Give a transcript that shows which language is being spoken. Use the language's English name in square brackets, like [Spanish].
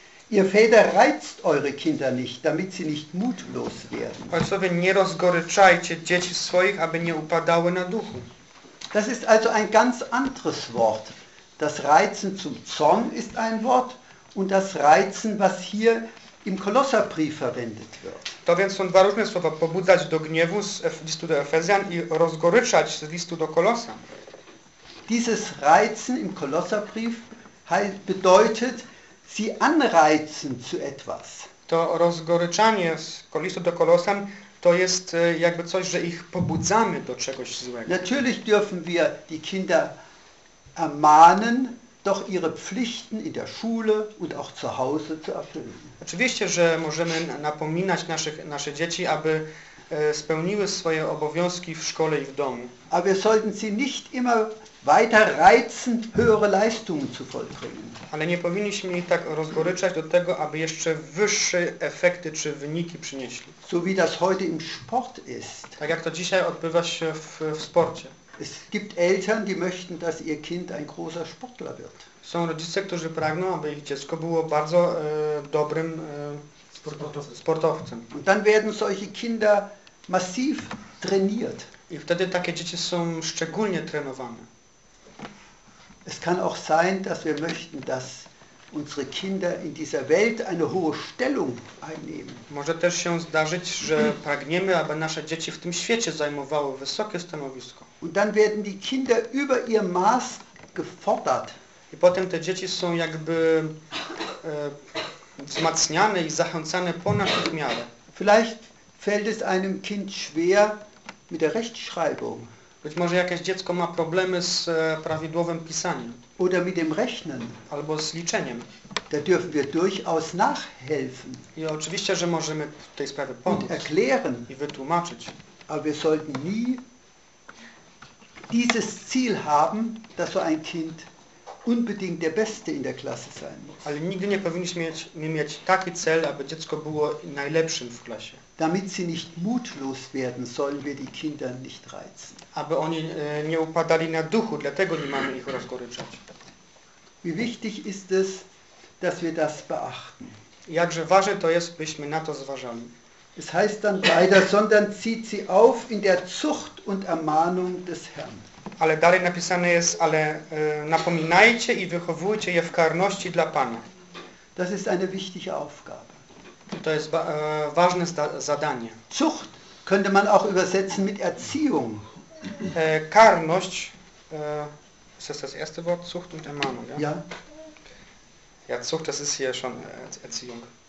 [German] Ihr Väter reizt eure Kinder nicht, damit sie nicht mutlos werden. [Polish] Ojcowie, nie rozgoryczajcie dzieci swoich, aby nie upadały na duchu. [German] Das ist also ein ganz anderes Wort. Das Reizen zum Zorn ist ein Wort und das Reizen, was hier im Kolosserbrief verwendet wird. [Polish] To więc są dwa różne słowa, pobudzać do gniewu z listu do Efezjan i rozgoryczać z listu do Kolosan. [German] Dieses Reizen im Kolosserbrief bedeutet, sie anreizen zu etwas. [Polish] To rozgoryczanie z listu do Kolosan to jest jakby coś, że ich pobudzamy do czegoś złego. [German] Natürlich dürfen wir die Kinder ermahnen, doch ihre Pflichten in der Schule und auch zu Hause zu erfüllen. [Polish] Oczywiście, że możemy napominać nasze dzieci, aby spełniły swoje obowiązki w szkole i w domu. [German] Aber wir sollten sie nicht immer weiter reizen, höhere Leistungen zu vollbringen. [Polish] Ale nie powinniśmy ich tak rozgoryczać do tego, aby jeszcze wyższe efekty czy wyniki przynieśli. [German] So wie das heute im Sport ist. [Polish] Tak jak to dzisiaj odbywa się w sporcie. [German] Es gibt Eltern, die möchten, dass ihr Kind ein großer Sportler wird. [Polish] Są rodzice, którzy pragną, aby ich dziecko było bardzo dobrym sportowcem. [German] Und dann werden solche Kinder massiv trainiert. [Polish] I wtedy takie dzieci są szczególnie trenowane. [German] Es kann auch sein, dass wir möchten, dass unsere Kinder in dieser Welt eine hohe Stellung einnehmen. [Polish] Może też się zdarzyć, że pragniemy, aby nasze dzieci w tym świecie zajmowały wysokie stanowisko. [German] Und dann werden die Kinder über ihr Maß gefordert. [Polish] I potem te dzieci są jakby wzmacniane i zachęcane ponad ich miarę. [German] Vielleicht fällt es einem Kind schwer mit der Rechtschreibung. [Polish] Być może jakieś dziecko ma problemy z prawidłowym pisaniem. [German] Oder mit dem Rechnen. [Polish] Albo z liczeniem. [German] Da dürfen wir durchaus nachhelfen. [Polish] I oczywiście, że możemy w tej sprawie pomóc. [German] Und erklären. [Polish] I wytłumaczyć. [German] Aber wir sollten nie dieses Ziel haben, dass so ein Kind unbedingt der Beste in der Klasse sein muss. [Polish] Ale nigdy nie powinniśmy mieć taki cel, aby dziecko było najlepszym w klasie. [German] Damit sie nicht mutlos werden, sollen wir die Kinder nicht reizen. [Polish] Aby oni nie upadali na duchu, dlatego nie mamy ich rozgoryczać. [German] Wie wichtig ist es, dass wir das beachten. [Polish] Jakże ważne to jest, byśmy na to zważali. [German] Es heißt dann weiter, sondern zieht sie auf in der Zucht und Ermahnung des Herrn. [Polish] Ale dalej napisane jest, ale napominajcie i wychowujcie je w karności dla Pana. [German] Das ist eine wichtige Aufgabe. [Polish] To jest ważne zadanie. [German] Zucht könnte man auch übersetzen mit Erziehung. Karność, ist das erste Wort, Zucht und Ermahnung, ja? Ja. Ja, Zucht, das ist hier schon Erziehung.